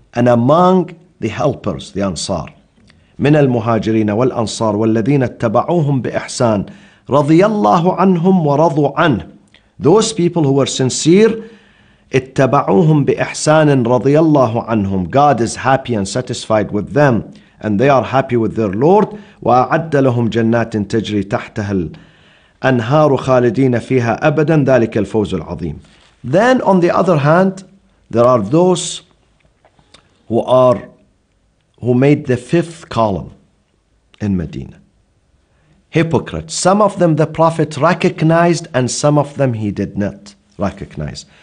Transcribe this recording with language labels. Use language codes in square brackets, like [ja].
[en] And among the helpers, the Ansar. [ar] مِنَ الْمُهَاجِرِينَ وَالْأَنصَارِ وَالَّذِينَ اتَّبَعُوهُمْ بِإِحْسَانِ رضي الله عنهم ورضوا عنه. [en] Those people who were sincere, [ar] اتبعوهم بإحسان رضي الله عنهم. [en] God is happy and satisfied with them, and they are happy with their Lord. [ar] وأعد لهم جنات تجري تحتها الأنهار خالدين فيها أبدا ذلك الفوز العظيم. [en] Then on the other hand, there are those who made the fifth column in Medina. Hypocrites. Some of them the Prophet recognized and some of them he did not recognize.